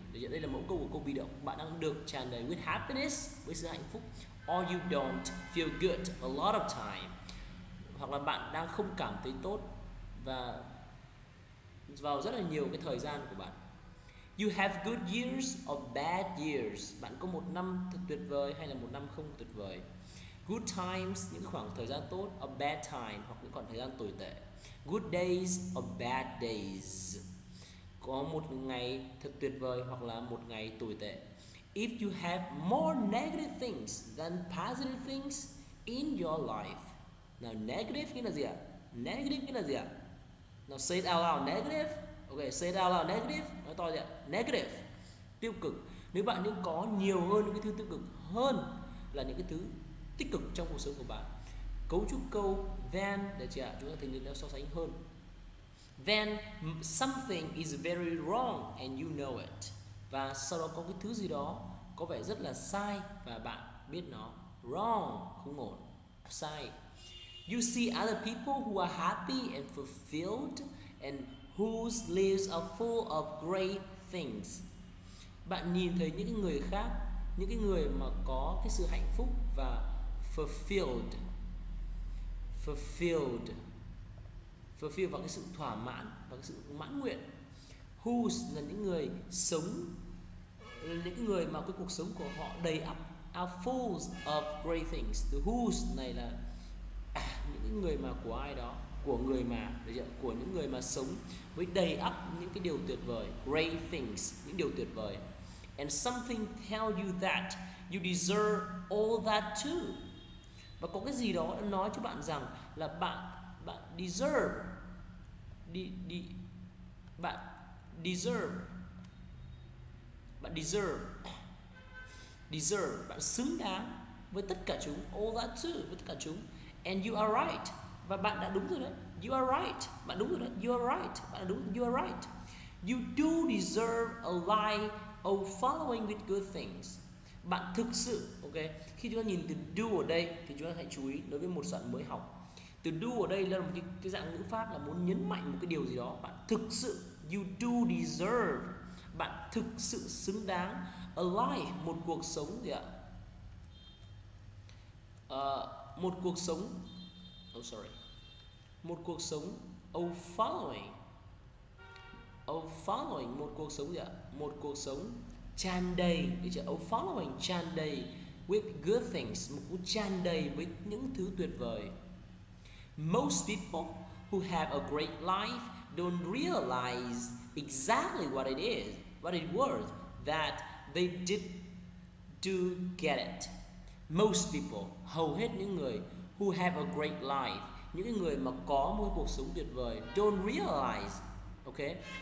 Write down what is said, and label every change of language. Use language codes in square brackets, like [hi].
[vi] Đây là mẫu câu của câu bị động. Bạn đang được tràn đầy [en] with happiness, [vi] với sự hạnh phúc. [en] Or you don't feel good a lot of time. [vi] Hoặc là bạn đang không cảm thấy tốt và vào rất là nhiều cái thời gian của bạn. [en] You have good years or bad years. [vi] Bạn có một năm thật tuyệt vời hay là một năm không tuyệt vời. [en] Good times, [vi] những khoảng thời gian tốt, [en] or bad time, [vi] hoặc những khoảng thời gian tồi tệ. [en] Good days or bad days. [vi] Có một ngày thật tuyệt vời hoặc là một ngày tồi tệ. [en] If you have more negative things than positive things in your life. Now negative [vi] nghĩa là gì ạ? [en] Now say it out loud, negative. Okay, say it out loud, negative. [vi] Nói to gì ạ? [en] Negative. [vi] Tiêu cực. Nếu bạn những có nhiều hơn những cái thứ tiêu cực hơn là những cái thứ tích cực trong cuộc sống của bạn. Cấu trúc câu then để chị ạ, chúng ta thường nên so sánh hơn. [en] Then something is very wrong and you know it. [vi] Và sau đó có cái thứ gì đó có vẻ rất là sai và bạn biết nó. Wrong, không ổn. Sai. [en] You see other people who are happy and fulfilled and whose lives are full of great things. [vi] Bạn nhìn thấy những người khác, những người mà có cái sự hạnh phúc và fulfilled và cái sự thỏa mãn và cái sự mãn nguyện. Whose là những người sống, những người mà cái cuộc sống của họ đầy ắp, [en] are full of great things. [vi] The whose này là những người mà của ai đó, của người mà, được chưa? Của những người mà sống với đầy ắp những cái điều tuyệt vời, [en] great things, [vi] những điều tuyệt vời. [en] And something tell you that you deserve all that too. [vi] Và có cái gì đó nói cho bạn rằng là bạn deserve, bạn xứng đáng với tất cả chúng, [en] all that too, [vi] với tất cả chúng. [en] And you are right. [vi] Và bạn đã đúng rồi đấy. [en] You are right. You do deserve a life of following with good things. [vi] Bạn thực sự, ok. Khi chúng ta nhìn từ do ở đây, thì chúng ta hãy chú ý đối với một đoạn mới học. Từ do ở đây là một cái dạng ngữ pháp là muốn nhấn mạnh một cái điều gì đó. Bạn thực sự, [en] you do deserve. [vi] Bạn thực sự xứng đáng. [en] A life, [vi] một cuộc sống gì ạ? Một cuộc sống [en] of following, [vi] một cuộc sống gì ạ? Một cuộc sống tràn đầy, of following, tràn đầy [en] with good things, [vi] một cuốn tràn đầy với những thứ tuyệt vời. [en] Most people who have a great life don't realize exactly what it is, what it was, that they did do get it. Most people, [vi] hầu hết những người [en] who have a great life, [vi] những người mà có một cuộc sống tuyệt vời, [en] don't realize, okay?